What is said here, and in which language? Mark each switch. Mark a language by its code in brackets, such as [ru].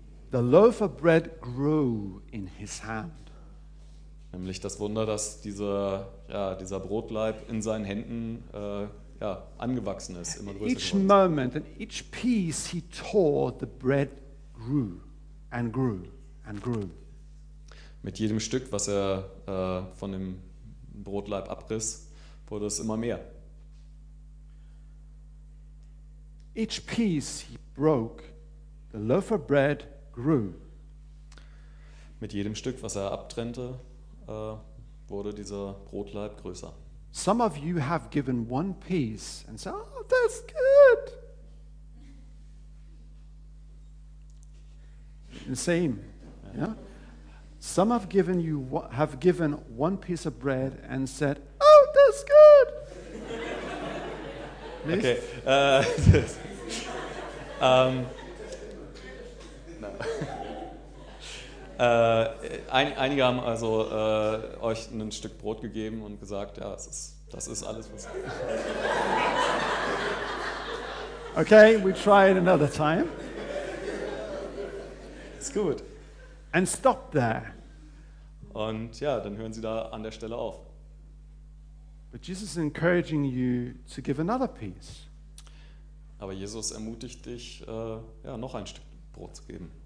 [en] The loaf of bread grew in his hand. [de] Nämlich das Wunder, dass dieser, ja, dieser Brotleib in seinen Händen ja, angewachsen ist, immer größer geworden. [en] Each moment and each piece he tore, the bread grew and grew and grew. [de] Mit jedem Stück, was er von dem Brotleib abriss, wurde es immer mehr. [en] Each piece he broke, the loaf of bread grew. [de] Mit jedem Stück, was er abtrennte, wurde dieser Brotleib größer. [en] Some of you have given one piece and said, oh, that's good. The same, yeah? Some have given you, have given one piece of bread and said, oh, that's good. Okay. [de] einige haben also euch ein Stück Brot gegeben und gesagt, ja, das ist alles, was [en] Okay, we try it another time. It's good. And stop there. [de] Und ja, dann hören Sie da an der Stelle auf. [en] But Jesus is encouraging you to give another piece. [de] Aber Jesus ermutigt dich, ja, noch ein Stück Brot zu geben.